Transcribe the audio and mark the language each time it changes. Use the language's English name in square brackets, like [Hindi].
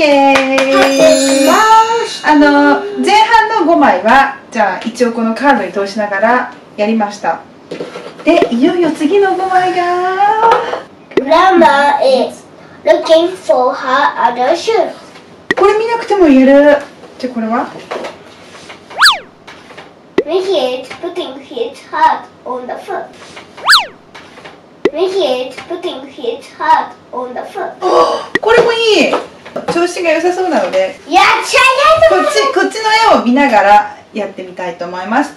[Japanese] 前半の5枚はじゃあ一応このカードに通しながらやりました。で、いよいよ次の5枚が、 [English] Grandma is looking for her other shoes。 [Japanese] これ見なくても言える。じゃあこれは [English] Mickey is putting his heart on the foot。 Mickey is putting his heart on the foot。 [Japanese] これもいい。調子が良さそうなので、やっちゃいたいと思います。こっちの絵を見ながらやってみたいと思います。